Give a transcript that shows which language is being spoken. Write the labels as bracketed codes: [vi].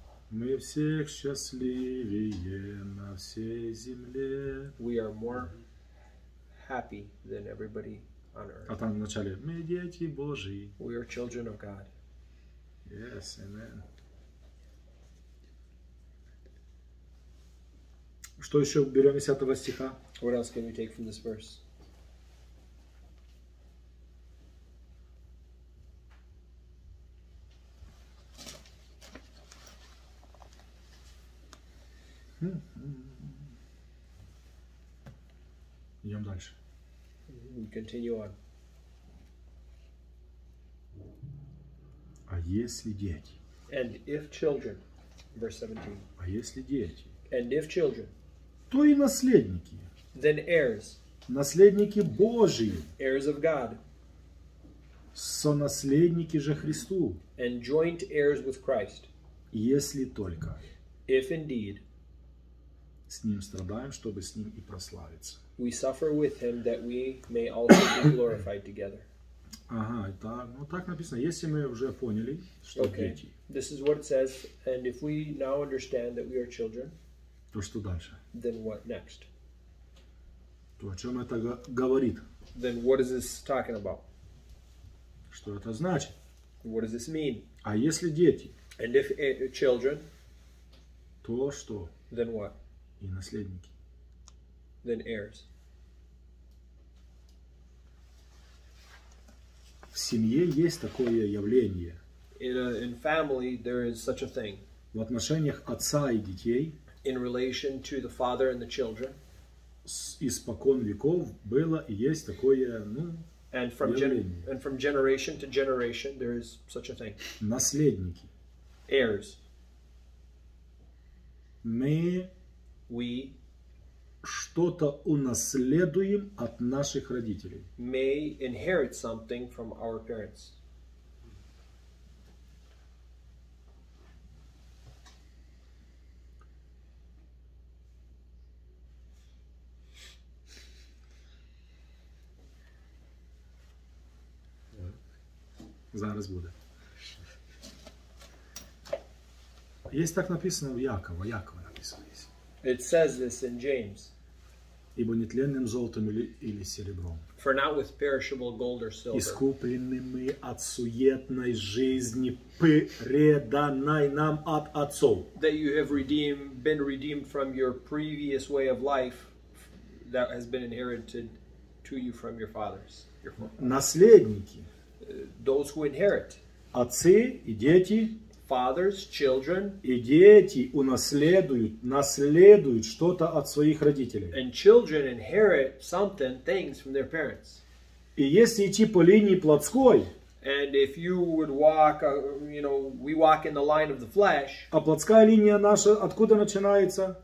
[ru] Мы всех счастливее на всей земле. [en] We are more happy than everybody. [uk] А там в начале ми діти Божі. [en] We are children of God. Yes, amen. [uk] Що ще беремо із цього стиха? [en] What else can we take from this verse? [uk] Йдемо далі. [en] We continue on. [ru] А если дети? [en] And if children, verse 17. [ru] А если дети? [en] And if children. [ru] То и наследники. [en] Then heirs. [ru] Наследники Божии. [en] Heirs of God. [ru] Сонаследники же Христу. [en] And joint heirs with Christ. [ru] Если только. [en] If indeed. [ru] С ним страдаем, чтобы с ним и прославиться. [en] We suffer with him that we may also be glorified together. [ru] Ага, так написано. Если мы уже поняли, что [en] okay. [ru] дети. [en] This is what it says, and if we now understand that we are children. [ru] То что дальше? [en] Then what next? [ru] То о чем это говорит? [en] Then what is this talking about? [ru] Что это значит? [en] What does this mean? [ru] А если дети? [en] And if children. [ru] То что? [en] Then what? [ru] И наследники. [en] Then heirs. [ru] В семье есть такое явление. [en] In family there is such a thing. [ru] В отношениях отца и детей. [en] In relation to the father and the children. [ru] Испокон веков было и есть такое, [en] And from [ru] явление. [en] And from generation to generation there is such a thing. [ru] Наследники. [en] Heirs. [ru] Мы что-то унаследуем от наших родителей. [en] May inherit something from our parents. [uk] Зараз буде. Є так написано в Якова. [en] It says this in James. [ru] ибо нетленным золотом или серебром. [en] For not with perishable gold or silver. [ru] Искупленными от суетной жизни, преданной нам от отцов. [en] That you have redeemed, been redeemed from your previous way of life that has been inherited to you from your fathers. [ru] Наследники. [en] Those who inherit. [ru] Отцы и дети. [en] Fathers, children, [ru] и дети наследуют что-то от своих родителей. [en] And children inherit something, things from their parents. [ru] И если идти по линии плотской, [en] and if you would walk, you know, we walk in the line of the flesh. [ru] А плотская линия наша откуда начинается?